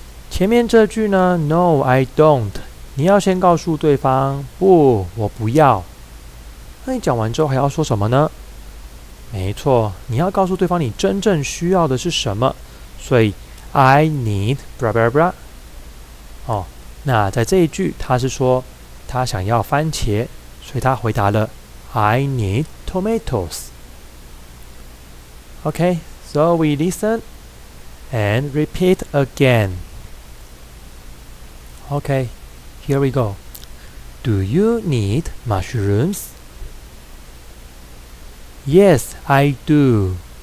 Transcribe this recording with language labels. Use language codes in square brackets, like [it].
[zh] 前面这句呢 ？ [en] No, I don't. [zh] 你要先告诉对方，不，我不要。那你讲完之后还要说什么呢？没错，你要告诉对方你真正需要的是什么，所以 [en] I need blah blah blah。 [zh] 哦，那在这一句他是说他想要番茄，所以他回答了 [en] I need tomatoes。 OK, so we listen and repeat again. OK, here we go. Do you need mushroomsYes, I do.